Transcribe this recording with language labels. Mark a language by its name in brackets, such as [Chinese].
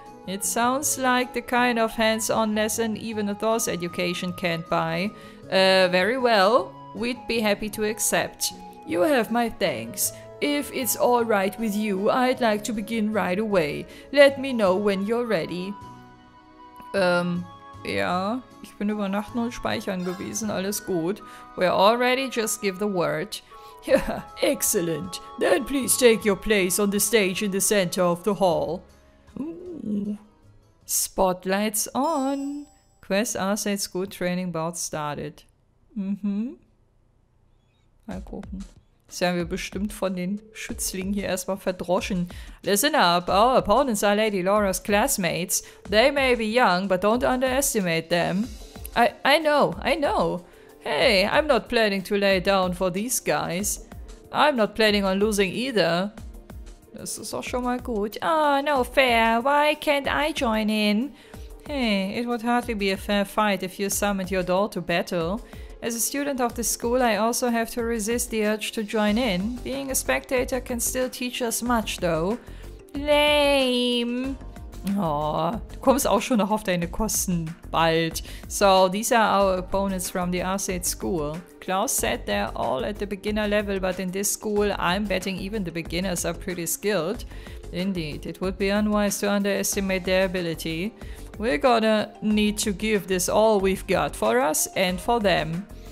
[English] It sounds like the kind of hands-on lesson even a Thor's education can't buy. Very well. We'd be happy to accept. You have my thanks. If it's all right with you, I'd like to begin right away. Let me know when you're ready. [German] Ja, ich bin über Nacht nur speichern gewesen, alles gut. [English] We're all ready, just give the word. Yeah, excellent. Then please take your place on the stage in the center of the hall. Ooh. Spotlights on. Quest Arsenate School Training Bout started. Mhm. [German] Mal gucken. Das haben wir bestimmt von den Schützlingen hier erstmal verdroschen. [English] Listen up, our opponents are Lady Laura's classmates. They may be young, but don't underestimate them. I know. Hey, I'm not planning to lay down for these guys. I'm not planning on losing either. [German] Das ist auch schon mal gut. [English] Oh, no fair. Why can't I join in? Hey, it would hardly be a fair fight if you summoned your doll to battle. As a student of the school, I also have to resist the urge to join in. Being a spectator can still teach us much, though. Lame. [German] Oh, du kommst auch schon noch auf deine Kosten bald. [English] So, these are our opponents from the Arcade School. Klaus said they're all at the beginner level, but in this school, I'm betting even the beginners are pretty skilled. Indeed, it would be unwise to underestimate their ability. We're gonna need to give this all we've got for us and for them.